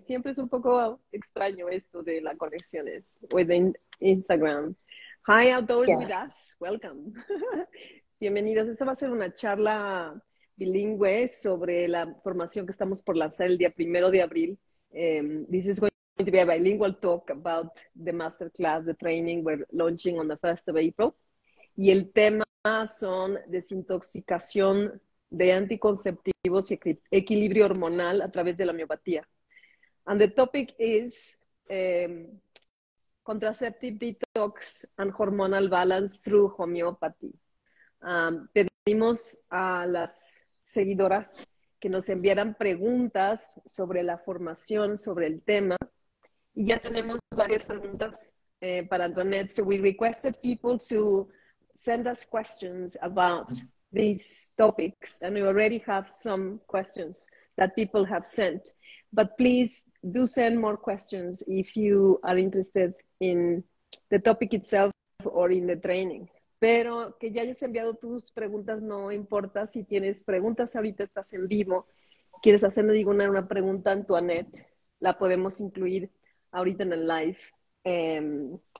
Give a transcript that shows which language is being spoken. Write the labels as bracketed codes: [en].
[es] Siempre es un poco extraño esto de las conexiones [en] within Instagram. Hi, outdoors with us. Welcome. Bienvenidos. [es] Esta va a ser una charla bilingüe sobre la formación que estamos por lanzar el día 1 de abril. [en] This is going to be a bilingual talk about the masterclass, the training we're launching on the 1st of April. [es] Y el tema son desintoxicación de anticonceptivos y equilibrio hormonal a través de la homeopatía. [en] And the topic is contraceptive detox and hormonal balance through homeopathy. [es] Pedimos a las seguidoras que nos enviaran preguntas sobre la formación, sobre el tema. Y ya tenemos varias preguntas para Antoinette. [en] So we requested people to send us questions about these topics, and we already have some questions that people have sent. But please do send more questions if you are interested in the topic itself or in the training. [es] Pero que ya hayas enviado tus preguntas no importa. Si tienes preguntas ahorita, estás en vivo, quieres hacerme una pregunta a Antoinette, la podemos incluir ahorita en el live.